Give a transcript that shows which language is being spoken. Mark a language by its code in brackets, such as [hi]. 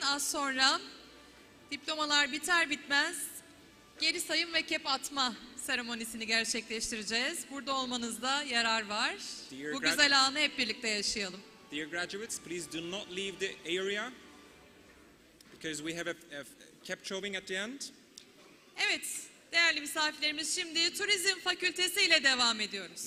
[tr] Az sonra diplomalar biter bitmez geri sayım ve kep atma seremonisini gerçekleştireceğiz. Burada olmanızda yarar var. Bu güzel anı hep birlikte yaşayalım. [en] Dear graduates, please do not leave the area because we have a kep showing at the end. [tr] Evet, değerli misafirlerimiz, şimdi Turizm Fakültesi ile devam ediyoruz.